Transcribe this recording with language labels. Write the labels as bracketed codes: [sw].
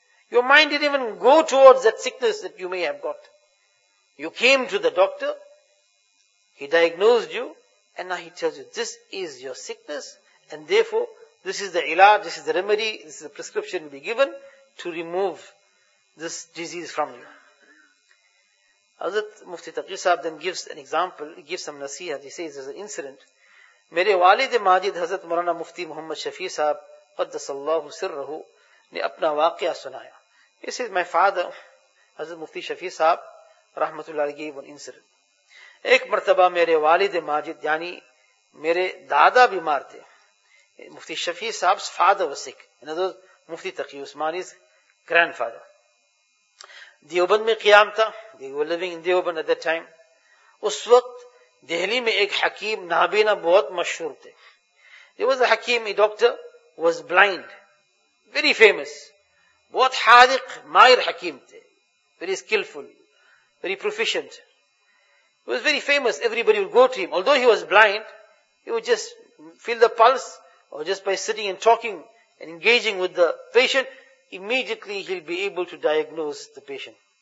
[en] Your mind didn't even go towards that sickness that you may have got. You came to the doctor, he diagnosed you, and now he tells you this is your sickness and therefore this is the ilaj, this is the remedy, this is the prescription to be given to remove this disease from you. Hazrat Mufti Taqi Sahib then gives an example, he gives some nasiha, he says there's an incident. [ur] میرے والد ماجد حضرت مولانا مفتی محمد شفیع صاحب قدس اللہ سرہ نے اپنا واقعہ سنایا. [en] This is my father, حضرت مفتی شفیع صاحب رحمت اللہ علیہ وسلم. [ur] ایک مرتبہ میرے والد ماجد یعنی میرے دادا بیمار تھے. [en] مفتی شفیع صاحب's father was sick. Mufti Taqi عثمانی's grandfather. [ur] Deoband میں قیام تھا. [en] They were living in Deoband at that time. [ur] اس وقت دہلی میں ایک حکیم نابینا بہت مشہور تھے. [en] There was a hakim, a doctor, was blind, very famous, [ur] بہت حاذق ماہر حکیم تھے, [en] very skillful, very proficient. He was very famous. Everybody would go to him. Although he was blind, he would just feel the pulse, or just by sitting and talking and engaging with the patient, immediately he'll be able to diagnose the patient.